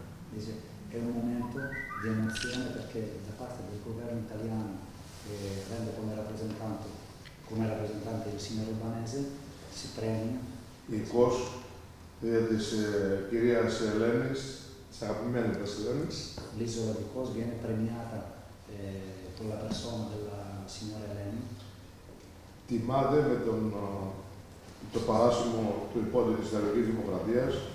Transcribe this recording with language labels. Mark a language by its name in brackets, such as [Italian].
[Italian] Dice, è un momento di emozione perché da parte del governo italiano, che rende come rappresentante il signor Albanese, si premia. [Greek] Η ΚΟΣ δια της κυρίας Ελένης, της αγαπημένης Ελένης. [Italian] L'isola di Kos viene premiata con la persona della signora Eleni. [Greek] Τιμάται με το παράσημο του υπότιτλου της Ιταλικής Δημοκρατίας.